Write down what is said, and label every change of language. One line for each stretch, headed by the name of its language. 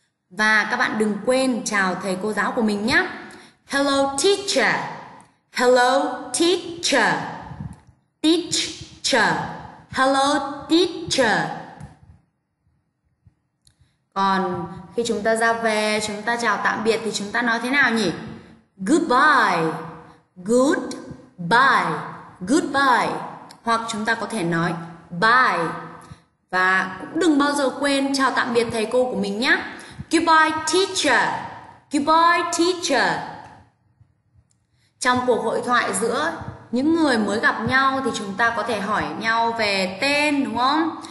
Vietnamese: Và các bạn đừng quên chào thầy cô giáo của mình nhé.
English: Hello teacher, hello teacher, teacher, hello teacher.
Vietnamese: Còn khi chúng ta ra về, chúng ta chào tạm biệt thì chúng ta nói thế nào nhỉ?
English: Goodbye, goodbye, goodbye.
Vietnamese: Hoặc chúng ta có thể nói bye. Và cũng đừng bao giờ quên chào tạm biệt thầy cô của mình nhé.
English: Goodbye teacher, goodbye teacher.
Vietnamese: Trong cuộc hội thoại giữa những người mới gặp nhau thì chúng ta có thể hỏi nhau về tên, đúng không?